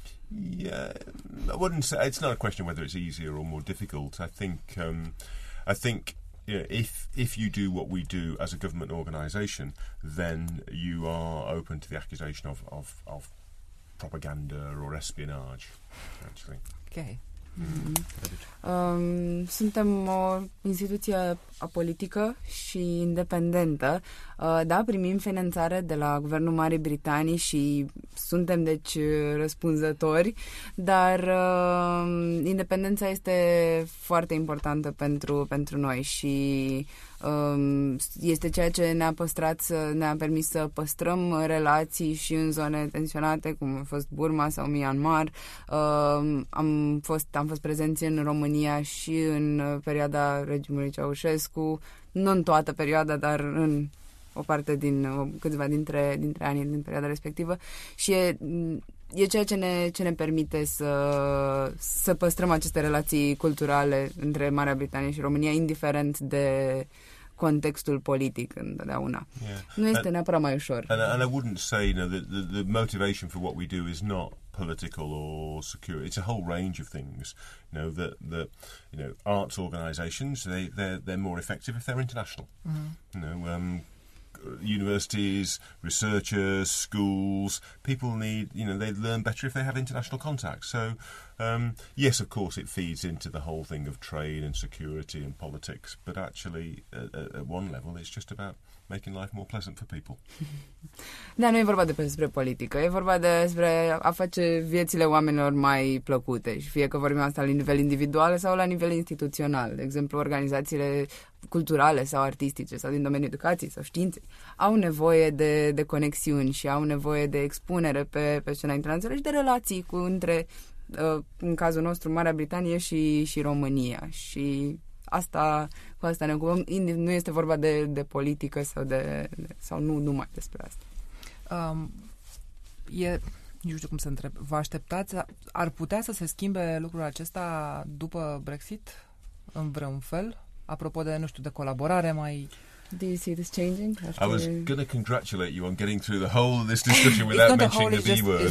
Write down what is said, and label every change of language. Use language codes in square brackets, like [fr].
[en] Yeah, I wouldn't say it's not a question whether it's easier or more difficult. I think you know, if you do what we do as a government organisation, then you are open to the accusation of propaganda or espionage, actually. Okay. Mm-hmm. [ro] Suntem o instituție apolitică și independentă. Da, primim finanțare de la Guvernul Marii Britanii și suntem deci răspunzători, dar independența este foarte importantă pentru noi și este ceea ce ne-a permis să păstrăm relații și în zone tensionate, cum a fost Burma sau Myanmar. Am fost prezenți în România și în perioada regimului Ceaușescu, nu în toată perioada, dar în o parte din câțiva dintre anii din perioada respectivă. Și e ceea ce ne permite să păstrăm aceste relații culturale între Marea Britanie și România, indiferent de contextul politic întotdeauna. [en] Yeah. [ro] Nu este neapărat mai ușor. [en] And I wouldn't say, you know, the motivation for what we do is not political or security. It's a whole range of things. You know, that you know, arts organizations, they're more effective if they're international. Mm-hmm. You know, universities, researchers, schools, people need, you know, they learn better if they have international contacts. So, yes, of course, it feeds into the whole thing of trade and security and politics, but actually, at one level, it's just about making life more pleasant for people. [ro] Da, nu e vorba despre politică, e vorba despre a face viețile oamenilor mai plăcute, și fie că vorbim asta la nivel individual sau la nivel instituțional. De exemplu, organizațiile culturale sau artistice sau din domeniul educației sau științei au nevoie de conexiuni și au nevoie de expunere pe scena internațională și de relații între, în cazul nostru, Marea Britanie și România. Și asta, cu asta ne ocupăm. Nu este vorba de politică sau sau nu numai despre asta. Nu știu cum să întreb. Vă așteptați? Ar putea să se schimbe lucrul acesta după Brexit în vreun fel? Apropo de, nu știu, de colaborare mai... [en] Do you see this changing? I was going to congratulate you on getting through the whole of this discussion without mentioning the B word.